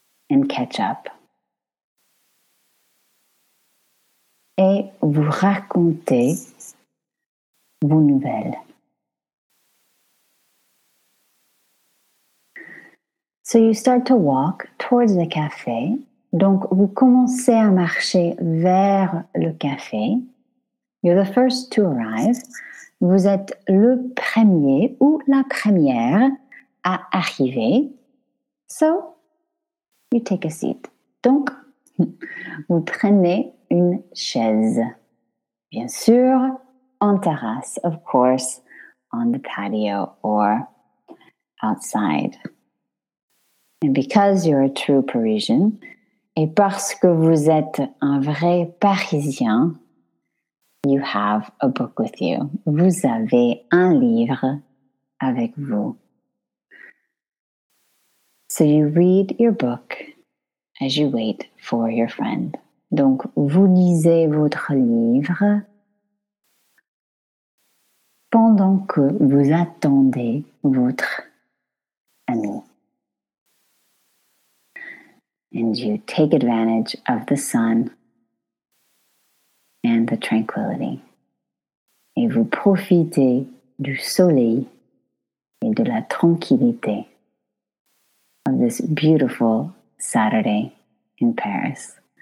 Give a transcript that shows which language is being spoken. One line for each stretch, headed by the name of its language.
English: And catch up.
French: Et vous racontez vos nouvelles.
English: So you start to walk towards the café.
French: Donc, vous commencez à marcher vers le café.
English: You're the first to arrive.
French: Vous êtes le premier ou la première à arriver.
English: So, you take a seat.
French: Donc, vous prenez une chaise. Bien sûr, en terrasse,
English: of course, on the patio or outside. And because you're a true Parisian,
French: et parce que vous êtes un vrai Parisien,
English: you have a book with you.
French: Vous avez un livre avec vous.
English: So you read your book as you wait for your friend.
French: Donc, vous lisez votre livre pendant que vous attendez votre ami.
English: And you take advantage of the sun and the tranquility.
French: Et vous profitez du soleil et de la tranquillité
English: of this beautiful Saturday in Paris.